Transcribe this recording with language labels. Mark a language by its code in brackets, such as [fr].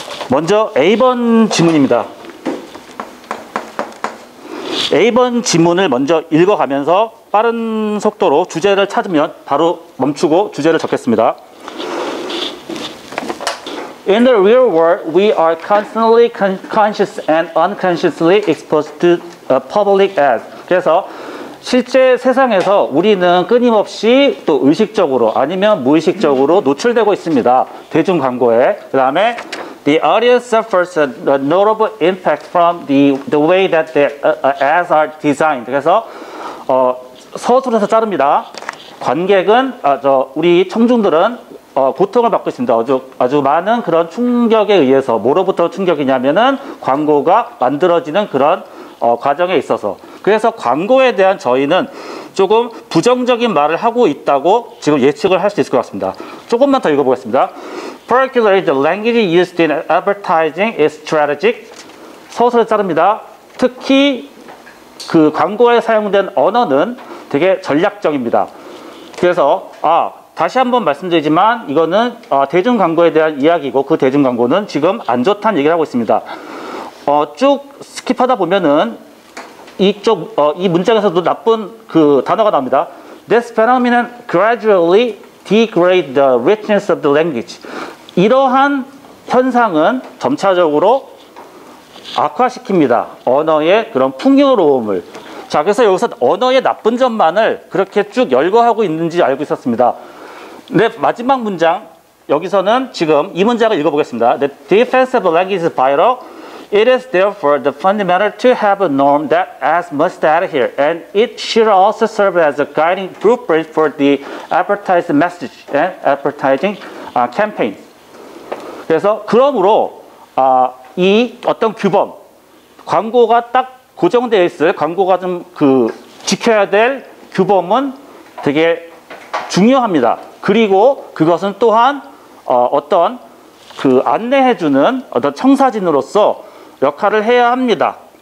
[ko] 먼저 A번 지문입니다. A번 지문을 먼저 읽어가면서 빠른 속도로 주제를 찾으면 바로 멈추고 주제를 적겠습니다. [en] In the real world, we are constantly conscious and unconsciously exposed to public ads. [ko] 그래서 실제 세상에서 우리는 끊임없이 또 의식적으로 아니면 무의식적으로 노출되고 있습니다. 대중 광고에. 그 다음에 [en] The audience suffers a notable impact from the way that the ads are designed. [ko] 그래서 서술에서 자릅니다. 관객은 우리 청중들은 고통을 받고 있습니다. 아주 많은 그런 충격에 의해서 뭐로부터 충격이냐면은 광고가 만들어지는 그런 과정에 있어서. 그래서 광고에 대한 저희는 조금 부정적인 말을 하고 있다고 지금 예측을 할 수 있을 것 같습니다. 조금만 더 읽어보겠습니다. [en] Particularly, the language used in advertising is strategic. [ko] 서술을 자릅니다. 특히 그 광고에 사용된 언어는 되게 전략적입니다. 그래서 다시 한번 말씀드리지만 이거는 대중 광고에 대한 이야기고 그 대중 광고는 지금 안 좋다는 얘기를 하고 있습니다. 쭉 스킵하다 보면은 이쪽 이 문장에서도 나쁜 그 단어가 나옵니다. [en] This phenomenon gradually degrade the richness of the language. [ko] 이러한 현상은 점차적으로 악화시킵니다. 언어의 그런 풍요로움을. 자, 그래서 여기서 언어의 나쁜 점만을 그렇게 쭉 열거하고 있는지 알고 있었습니다. 네, 마지막 문장. 여기서는 지금 이 문장을 읽어보겠습니다. [en] The defense of language is vital. It is therefore the fundamental to have a norm that ads must adhere, and it should also serve as a guiding blueprint for the advertised message and advertising campaign. [ko] 그래서 그러므로 이 어떤 규범, 광고가 딱 고정되어 있을 광고가 좀 그 지켜야 될 규범은 되게 중요합니다. 그리고 그것은 또한 어떤 그 안내해주는 어떤 청사진으로서 역할을 해야 합니다.